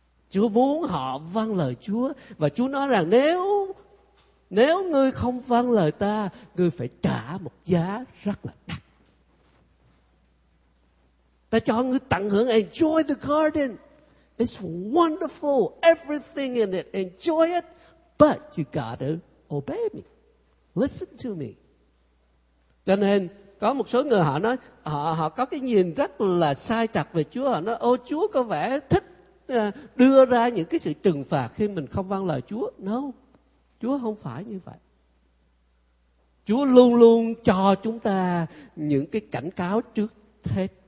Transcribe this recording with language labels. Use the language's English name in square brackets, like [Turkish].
[Vietnamese] Chúa muốn họ vâng lời Chúa. Và Chúa nói rằng nếu ngươi không vâng lời ta, ngươi phải trả một giá rất là đắt. Ta cho ngươi tận hưởng [English] enjoy the garden. It's wonderful, everything in it, enjoy it, but you gotta obey me, listen to me. [Vietnamese] Cho nên, có một số người họ nói, họ có cái nhìn rất là sai trật về Chúa, họ nói, ô Chúa có vẻ thích đưa ra những cái sự trừng phạt khi mình không vâng lời Chúa. No, Chúa không phải như vậy. Chúa luôn luôn cho chúng ta những cái cảnh cáo trước hết.